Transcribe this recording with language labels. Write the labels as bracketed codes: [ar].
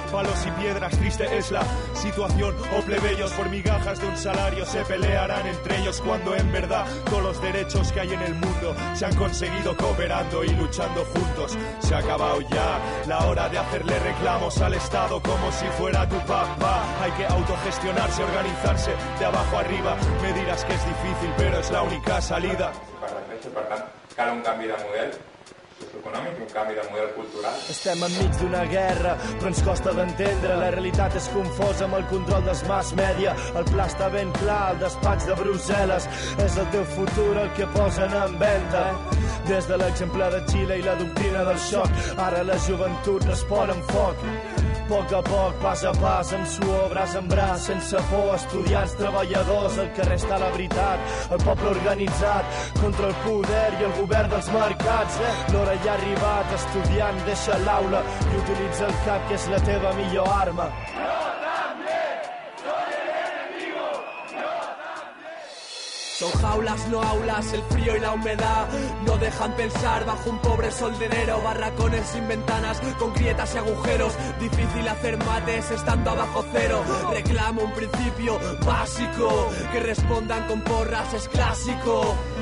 [es] Palos y piedras, triste es la situación. O plebeyos por migajas de un salario se pelearán entre ellos, cuando en verdad todos los derechos que hay en el mundo se han conseguido cooperando y luchando juntos. Se ha acabado ya la hora de hacerle reclamos al Estado como si fuera tu papá. Hay que autogestionarse, organizarse de abajo arriba. Me dirás que es difícil, pero es la única salida. [ca] Cal un canvi de model econòmic, un canvi de model cultural. Estem enmig d'una guerra, però ens costa d'entendre. La realitat és confosa amb el control dels mass media. El pla està ben clar, el despatx de Brussel·les. És el teu futur el que posen en venda. Des de l'exemple de Xile i la doctrina del xoc, ara la joventut respon amb foc. A poc a poc, pas a pas, amb suor, braç en braç, sense por, estudiants, treballadors, el que resta la veritat, el poble organitzat, contra el poder i el govern dels mercats. L'hora ja ha arribat, estudiant, deixa l'aula i utilitza el cap, que és la teva millor arma. [es] Son jaulas, no aulas, el frío y la humedad no dejan pensar bajo un pobre sol de enero. Barracones sin ventanas, con grietas y agujeros. Difícil hacer mates estando abajo cero. Reclamo un principio básico, que respondan con porras, es clásico.